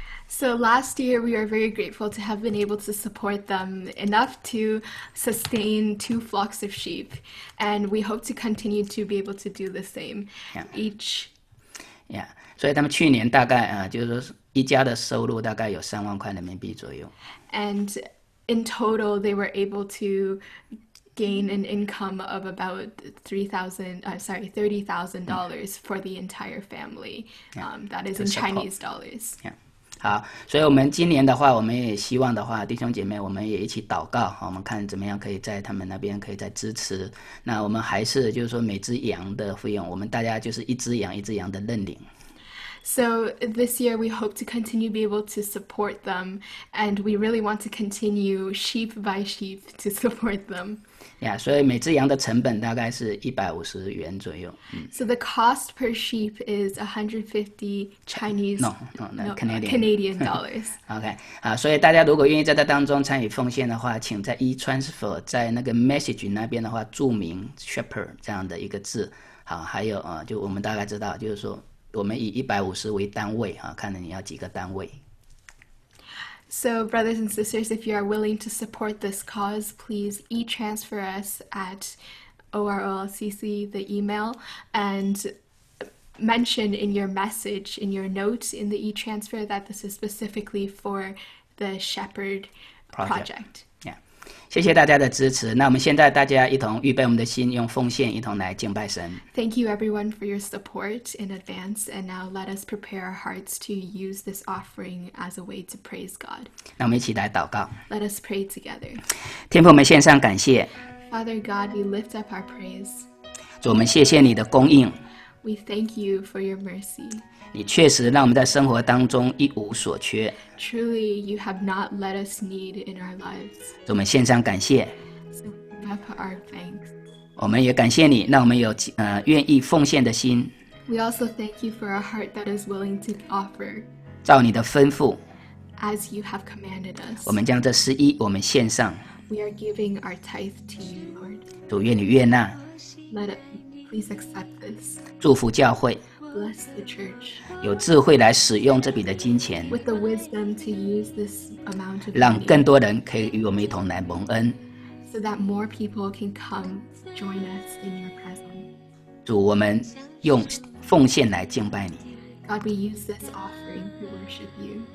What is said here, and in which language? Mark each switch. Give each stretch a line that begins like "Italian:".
English: So last year we are very grateful to have been able to support them enough to sustain 2 flocks of sheep, and we hope to continue to be able to do the same each. Yeah.
Chinese: 所以他们去年大概、啊、就是说一家的收入大概有30000块人民币左右。
English: And in total they were able to gain an income of about $30,000 for the entire family. That is in Chinese dollars. Yeah.
Chinese: 好，所以我们今年的话我们也希望的话弟兄姐妹我们也一起祷告，我们看怎么样可以在他们那边可以再支持。那我们还是就是说每只羊的费用我们大家就是一只羊一只羊的认领。
English: So this year we hope to continue to be able to support them, and we really want to continue sheep by sheep to support them.
Chinese: Yeah, 所以每只羊的成本大概是150元左右。
English: So the cost per sheep is 150 Canadian dollars.
Chinese: Okay, 啊，所以大家如果愿意在这当中参与奉献的话，请在 e-transfer 在那个 message 那边的话注明 shepherd 这样的一个字。好，还有啊，就我们大概知道，就是说。我们以150为单位、啊、看你要几个单位。
English: So brothers and sisters, if you are willing to support this cause, please e-transfer us at ORLCC, the email, and mention in your message, in your notes in the e-transfer that this is specifically for the Shepherd Project. Yeah.
Chinese: 谢谢大家的支持，那我们现在大家一同预备我们的心，用奉献一同来敬拜神。
English: Thank you everyone for your support in advance, and now let us prepare our hearts to use this offering as a way to praise God.
Chinese: 那我们一起来祷告。
English: Let us pray together.
Chinese: 天父，我们献上感谢。
English: Father God, we lift up our praise.
Chinese: 主，我们谢谢你的供应。
English: We thank you for your mercy.
Chinese: 你确实让我们在生活当中一无所缺。
English: Truly, you have not let us need in our lives.
Chinese: 我们献上感谢。
English: So we offer our thanks.
Chinese: 我们也感谢你，让我们有愿意奉献的心。
English: We also thank you for a heart that is willing to offer.
Chinese: 照你的吩咐。
English: As you have commanded us.
Chinese: 我们将这十一我们献上。
English: We are giving our tithe to you, Lord.
Chinese: 主，愿你悦纳。
English: Let it, please accept this.
Chinese: 祝福教会。
English: Bless the church.
Chinese: 有智慧来使用这笔的金钱，
English: with the wisdom to use this amount of money,
Chinese: 让更多人可以与我们一同来蒙恩，
English: so that more people can come join us in your presence.
Chinese: 主，我们用奉献来敬拜你。
English: God, we use this offering to worship you.